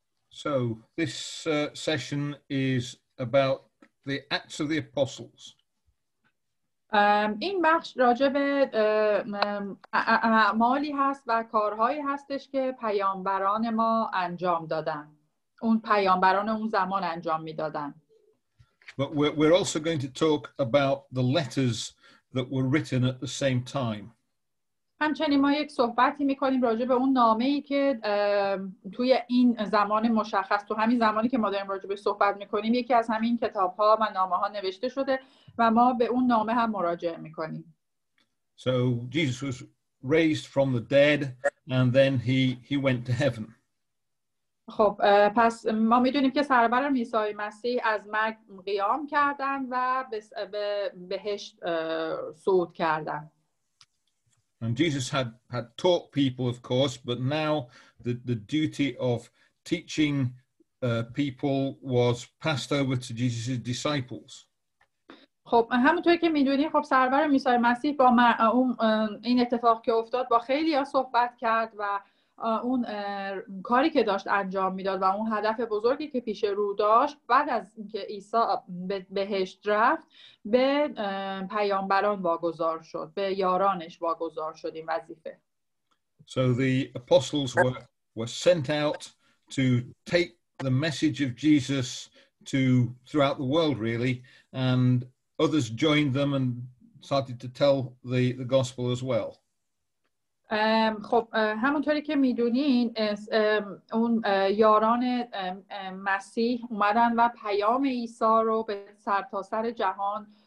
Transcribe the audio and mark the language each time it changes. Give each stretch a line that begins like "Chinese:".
English: So this session is about the Acts of the Apostles.
Persian: این بخش راجع به اعمالی هست و کارهایی هستش که پیامبران ما انجام دادن. اون پیامبران اون زمان انجام میدادن.
English: But we're also going to talk about the letters that were written at the same time.
Persian: همچنین ما یک صحبتی میکنیم راجع به اون نامه‌ای که توی این زمان مشخص، تو همین زمانی که ما داریم راجع به صحبت میکنیم، یکی از همین کتاب‌ها و نامه‌ها نوشته شده و ما به اون نامه هم مراجعه میکنیم.
English: So Jesus was raised from the dead and then he went to heaven.
Persian: خب پس ما میدونیم که سرور عیسی مسیح از مرگ قیام کردن و به بهشت صعود کردن.
English: And Jesus had taught people, of course, but now the duty of teaching people was passed over to Jesus' disciples.
Persian: خب همونطوری که میدونی خب سرور عیسی مسیح با اون این اتفاق که افتاد با خیلی ها صحبت کرد و اون کاری که داشت انجام میداد و اون هدف بزرگی که پیش رو داشت بعد از اینکه عیسی بهشت رفت به پیامبران واگذار شد، به یارانش واگذار شد این وظیفه.
English: So the apostles were sent out to take the message of Jesus to throughout the world really, and others joined them and started to tell the gospel as well.
Persian: خب همونطوری که میدونین اون یاران مسیح اومدن و پیام عیسی رو به سرتاسر جهان